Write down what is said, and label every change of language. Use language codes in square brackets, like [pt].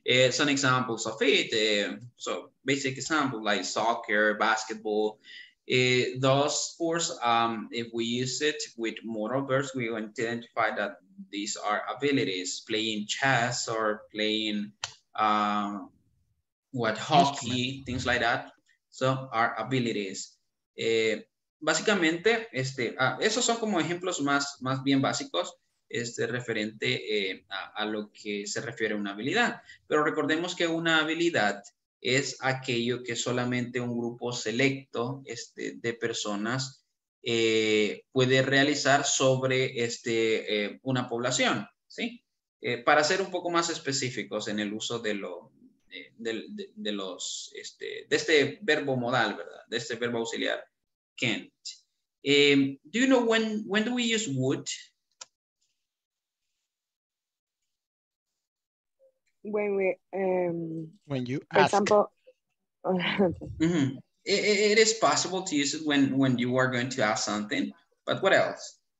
[en] Some examples of it. So basic example like soccer, basketball. Those sports, if we use it with modal verbs, we identify that these are abilities. Playing chess or playing hockey, things like that. So are abilities. [es] Básicamente, esos son como ejemplos más bien básicos, referente a lo que se refiere a una habilidad. Pero recordemos que una habilidad es aquello que solamente un grupo selecto de personas puede realizar sobre una población, ¿sí? Para ser un poco más específicos en el uso de, lo, de los este de este verbo modal, ¿verdad? De este verbo auxiliar can't. [en] Do you know when do we use would? When we when you ask. For example. It is possible to use it when you are going to ask something, but what else?